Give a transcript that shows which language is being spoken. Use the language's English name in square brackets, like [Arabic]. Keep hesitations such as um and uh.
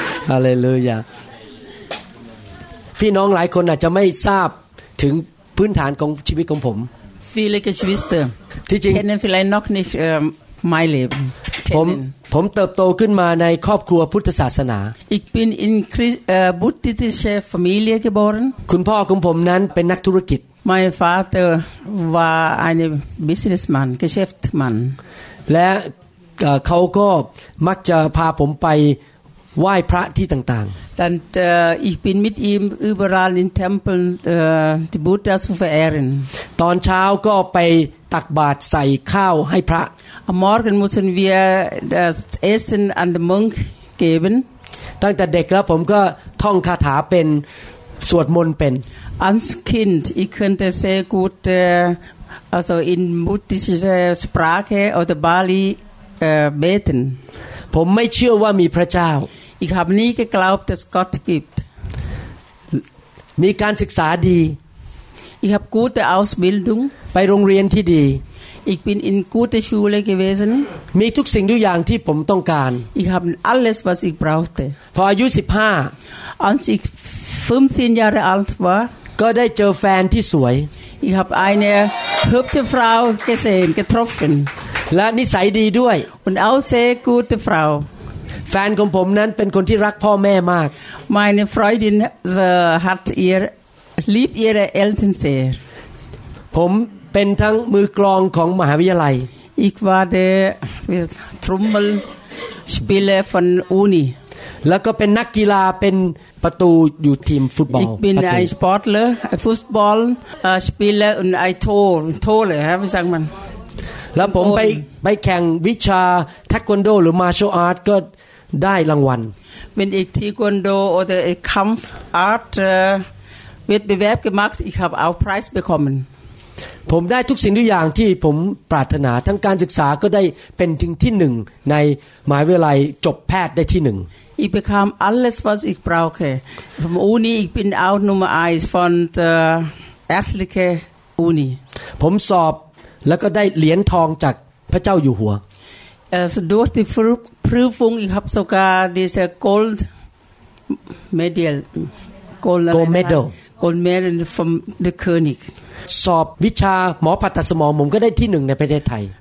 [Thai] ฮาเลลูยาพี่น้องหลายคนอาจจะไม่ทราบถึงพื้นฐานของชีวิตของผม [German] Viele Geschwister [Thai] ที่จริง [German] kennen vielleicht noch nicht ähm, mein Leben. [Thai] ผม [German] Kennen. [Thai] ผมเติบโตขึ้นมาในครอบครัวพุทธศาสนา [German] Ich bin in Christ, äh, buddhistische Familie geboren. [Thai] คุณพ่อของผมนั้นเป็นนักธุรกิจ [German] Mein Vater war ein Businessman, Geschäftsmann. [Thai] และเอ่อเขาก็มักจะพาผมไปไหว้พระที่ต่าง [German] Dann, äh, ich bin mit ihm überall in Tempeln äh, die Buddha zu verehren. [Thai] ๆ ตอนเช้าก็ไปตักบาตรใส่ข้าวให้พระ [German] Am Morgen müssen wir das Essen an den Munk geben. [Thai] ตั้งแต่เด็กแล้วผมก็ท่องคาถาเป็นสวดมนต์เป็น [German] Als Kind, ich könnte sehr gut äh, also in buddhistischer Sprache oder Bali äh, beten. [Thai] ผมไม่เชื่อว่ามีพระเจ้า [German] Ich habe nie geglaubt, dass Gott gibt. [Thai] มีการศึกษาดี [German] Ich habe gute Ausbildung. [Thai] ไปโรงเรียนที่ดี [German] Ich bin in gute Schule gewesen. [Thai] มีทุกสิ่งทุกอย่างที่ผมต้องการ [German] Ich habe alles, was ich brauchte. [Thai] พออายุ [German] Als ich 15 Jahre alt war, [Thai] 15 ก็ได้เจอแฟนที่สวย [German] ich habe eine hübsche Frau gesehen, getroffen. [Thai] และนิสัยดีด้วย [German] Und auch sehr gute Frau. [Thai] แฟนของผมนั้นเป็นคนที่รักพ่อแม่มาก [German] Meine Freundin äh, hat ihr, liebt ihre Eltern sehr. [Thai] ผมเป็นทั้งมือกลองของมหาวิทยาลัย [German] Ich war der Trommelspieler von Uni. [Thai] แล้วก็เป็นนักกีฬาเป็นประตูอยู่ทีมฟุตบอล [German] Ich bin [Thai] ประตู [German] ein Sportler, ein Fußballspieler und ein Tor, Tore, ja, wie sagt man? [Thai] แล้วผมไปไปแข่งวิชาเทควันโด หรือมา r t ลอาร์ตก็ได้รางวัล [German] Wenn ich Taekwondo oder ich Kampfart äh, Wettbewerb gemacht, ich habe auch Preis bekommen. [Thai] ผมได้ทุกสิ่งทุกอย่างที่ผมปรารถนาทั้งการศึกษาก็ได้เป็นถึงที่หนึ่งในมหาวิทยาลัยจบแพทย์ได้ที่หนึ่ง [German] Ich bekam alles, was ich brauche. Vom Uni, ich bin auch Nummer eins von der ärztlichen Uni. [Thai] ผมสอบแล้วก็ได้เหรียญทองจากพระเจ้าอยู่หัว [German] Also durch die Prü- Prüfung, ich habe sogar diese Gold Medal, Gold, Gold Medal. Gold Medal vom der König. [Thai] สอบวิชาหมอผ่าตัดสมองผมก็ได้ที่หนึ่งในประเทศไทย